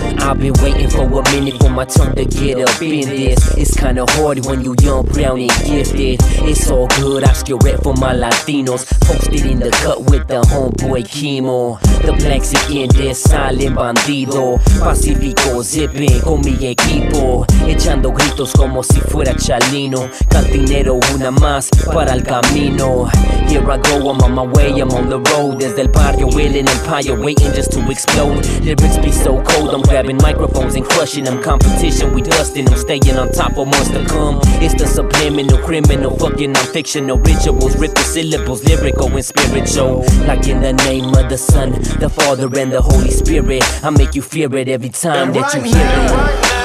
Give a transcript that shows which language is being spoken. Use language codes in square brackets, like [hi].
[en] I've been waiting for a minute for my tongue to get up in this. It's kinda hard when you young, brown, and gifted. It's all good, I still rep for my Latinos. Posted in the cut with the homeboy Kimo. The blacks again, they're silent bandido. [es] Pacifico zipping con mi equipo. Echando gritos como si fuera Chalino. Cantinero una más para el camino. [en] Here I go, I'm on my way, I'm on the road. [es] Desde el barrio, [en] willing empire, waiting just to explode. Lyrics be so cold, I'm grabbing microphones and crushing them. Competition, we dusting them, staying on top for months to come. It's the subliminal, criminal, fucking non-fictional rituals. Rip the syllables, lyrical and spiritual. Like in the name of the Son, the Father, and the Holy Spirit, I make you fear it every time that you hear it.